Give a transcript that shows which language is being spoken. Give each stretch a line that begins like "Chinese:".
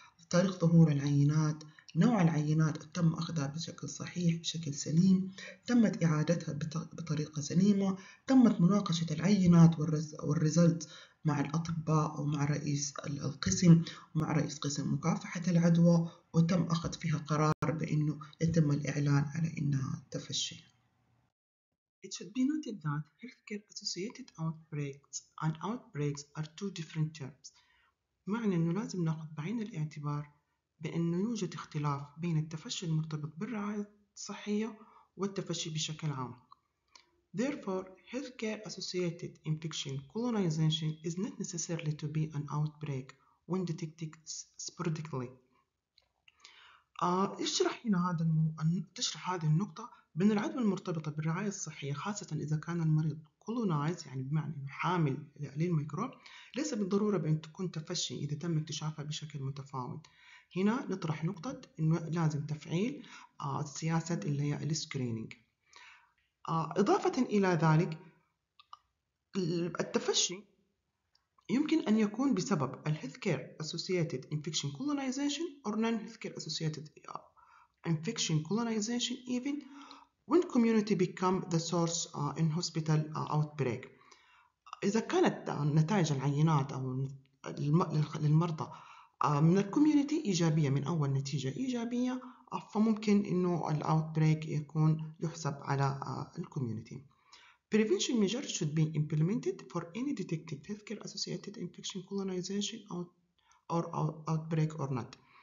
Arabic: تاريخ ظهور العينات، نوع العينات تم أخذها بشكل صحيح بشكل سليم، تمت إعادتها بطريقة سليمة، تمت مناقشة العينات والريزلت مع الأطباء أو مع رئيس القسم ومع رئيس قسم مكافحة العدوى، وتم أخذ فيها قرار بأنه يتم الإعلان على أنها تفشي.
English: It should be noted that healthcare associated outbreaks and outbreaks are two different terms.
Arabic: معنى أنه لازم نأخذ بعين الاعتبار بأنه يوجد اختلاف بين التفشي المرتبط بالرعاية الصحية والتفشي بشكل عام.
English: Therefore, healthcare associated infection colonization is not necessarily to be an outbreak when detected sporadically.
Arabic: اشرح هنا تشرح هذه النقطة بأن العدوى المرتبطة بالرعاية الصحية خاصة إذا كان المريض colonized يعني بمعنى حامل للميكروب ليس بالضرورة بأن تكون تفشي إذا تم اكتشافها بشكل متفاوت. هنا نطرح نقطة إنه لازم تفعيل سياسة اللي هي السكرينينج. إضافة إلى ذلك التفشي يمكن أن يكون بسبب
English: healthcare associated infection colonization or non-healthcare associated infection colonization even when community become the source in hospital outbreak.
Arabic: إذا كانت نتائج العينات أو للمرضى من الكوميونتي إيجابية من أول نتيجة إيجابية فممكن إنه الأوتبريك يكون يحسب على الكوميونتي.
English: Prevention measures should be implemented for any detected healthcare associated infection colonization or outbreak or not.